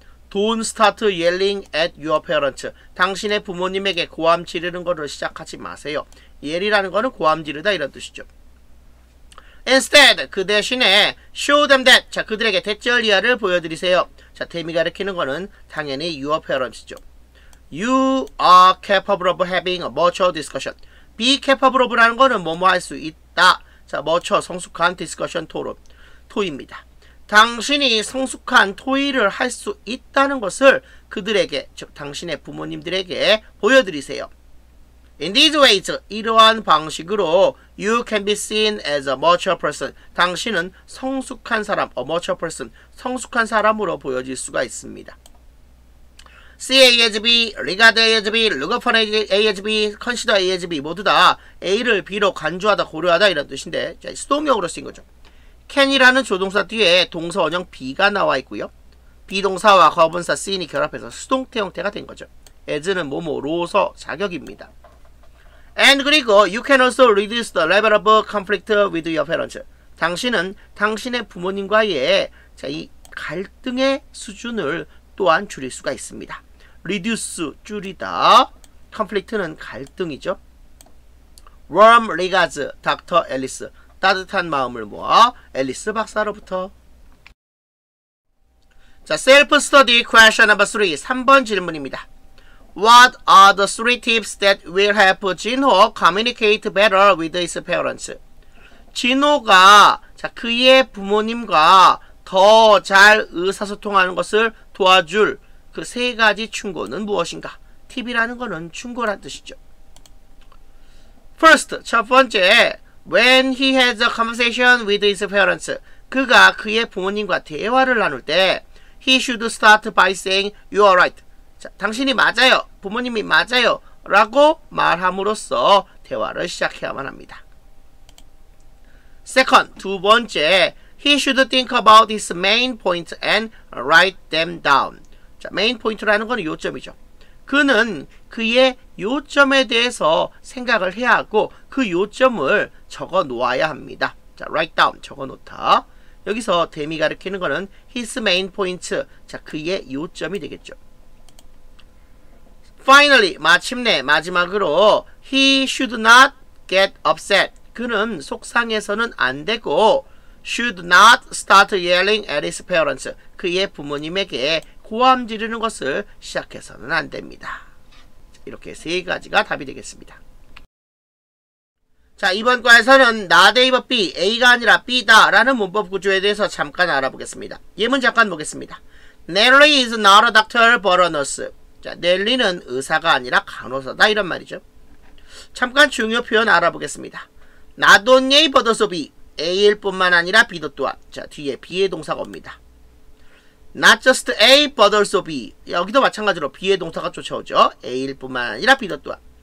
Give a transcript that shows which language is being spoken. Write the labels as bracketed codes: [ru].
[en] don't start yelling at your parents. [ko] 당신의 부모님에게 고함 지르는 거를 시작하지 마세요. yell이라는 거는 고함 지르다 이런 뜻이죠. instead, 그 대신에 [en] show them that. [ko] 자, 그들에게 대절리아를 보여드리세요. 자, 데미 가르치는 거는 당연히 your parents죠. [en] You are capable of having a mature discussion. [ko] Be capable of라는 거는 뭐뭐 할 수 있다. 자, mature, 성숙한 discussion, 토론, 토의입니다. 당신이 성숙한 토의를 할 수 있다는 것을 그들에게, 즉 당신의 부모님들에게 보여드리세요. [en] In these ways, [ko] 이러한 방식으로 [en] you can be seen as a mature person. [ko] 당신은 성숙한 사람, [en] a mature person, [ko] 성숙한 사람으로 보여질 수가 있습니다. See ASB, regard ASB, look upon ASB, consider ASB 모두 다 A를 B로 간주하다, 고려하다 이런 뜻인데 수동형으로 쓰인 거죠. can이라는 조동사 뒤에 동사 원형 B가 나와 있고요. B동사와 과거분사 C이 결합해서 수동태 형태가 된 거죠. as는 뭐뭐로서 자격입니다. [en] And [ko] 그리고 [en] you can also reduce the level of conflict with your parents. [ko] 당신은 당신의 부모님과의 자, 이 갈등의 수준을 또한 줄일 수가 있습니다. reduce, 줄이다. conflict는 갈등이죠. [en] warm regards, Dr. Alice. [ko] 따뜻한 마음을 모아 앨리스 박사로부터. [en] 자, self study question number 3. [ko] 3번 질문입니다. [en] What are the three tips that will help Jin-ho communicate better with his parents? [ko] 진호가 자, 그의 부모님과 더 잘 의사소통하는 것을 도와줄 그 세 가지 충고는 무엇인가? 팁이라는 거는 충고란 뜻이죠. [en] First, [ko] 첫 번째, [en] when he has a conversation with his parents, [ko] 그가 그의 부모님과 대화를 나눌 때, [en] he should start by saying, you are right. [ko] 자, 당신이 맞아요. 부모님이 맞아요. 라고 말함으로써 대화를 시작해야만 합니다. [en] Second, [ko] 두 번째, [en] he should think about his main points and write them down. [ko] 자, main point라는 건 요점이죠. 그는 그의 요점에 대해서 생각을 해야 하고 그 요점을 적어 놓아야 합니다. 자, write down, 적어 놓다. 여기서 데미 가르치는 거는 [en] his main points, [ko] 자, 그의 요점이 되겠죠. [en] Finally, [ko] 마침내 마지막으로 [en] he should not get upset. [ko] 그는 속상해서는 안 되고 [en] should not start yelling at his parents, [ko] 그의 부모님에게 고함 지르는 것을 시작해서는 안 됩니다. 이렇게 세 가지가 답이 되겠습니다. 자, 이번 과에서는 not A but B, A가 아니라 B다 라는 문법 구조에 대해서 잠깐 알아보겠습니다. 예문 잠깐 보겠습니다. [en] Nelly is not a doctor but a nurse. [ko] 자, 넬리는 의사가 아니라 간호사다 이런 말이죠. 잠깐 중요 표현 알아보겠습니다. [en] Not only A but also B, [ko] A일 뿐만 아니라 B도 또한. 자, 뒤에 B의 동사가 옵니다. [en] Not just A, but also B. [ko] 여기도 마찬가지로 B의 동사가 쫓아오죠. A일 뿐만 아니라 B도 또한.